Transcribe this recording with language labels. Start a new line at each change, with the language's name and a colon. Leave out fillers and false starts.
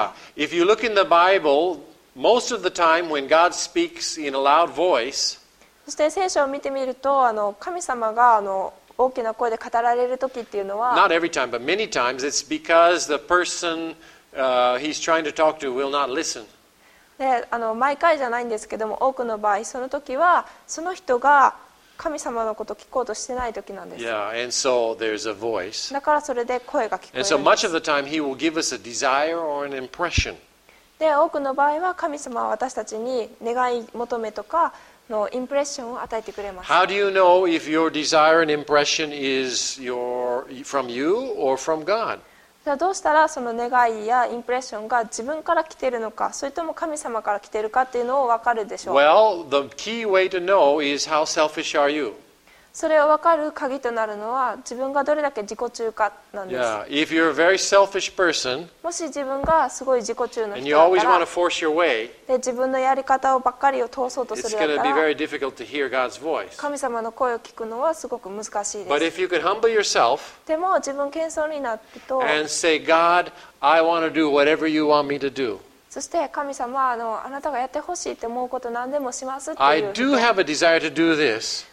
English: Yeah. If you look in the Bible, most of the time when God speaks in a loud voice,
Japanese: そして聖書を見てみると神様が大きな声で語られる時っていうのは、
English: not every time, but many times, it's because the person he's trying to talk to will not listen.
Japanese: で毎回じゃないんですけども、多くの場合その時はその人が神様のことを聞こうとしてない時なんです。
English: Yeah, and so there's a voice.
Japanese: だからそれで声が聞こえるんです。
English: And so much of the time he will give us a desire or an impression.
Japanese: で多くの場合は神様は私たちに願い求めとかのインプレッションを与えてくれます。
English: How do you know if your desire and impression is from you or from God?
Japanese: じゃあどうしたらその願いやインプレッションが自分から来ているのか、それとも神様から来ているかっていうのを分かるでしょう。
English: Well, the key way to know is how selfish are you.
Japanese: それを分かる鍵となるのは自分がどれだけ自己中かなんです。
English: Yeah, if you're a very selfish person,
Japanese: もし自分がすごい自己中の人だったら、
English: and you always want to force your way,
Japanese: で自分のやり方をばっかりを通そうとするだったら、
English: it's going to be very difficult to hear God's voice.
Japanese: 神様の声を聞くのはすごく難しいです。
English: But if you could humble yourself,
Japanese: でも自分謙遜になってと、
English: and say, God, I want to do whatever you want me to do.
Japanese: そして神様はあなたがやってほしいって思うこと何でもしますっていう。
English: I do have a desire to do this.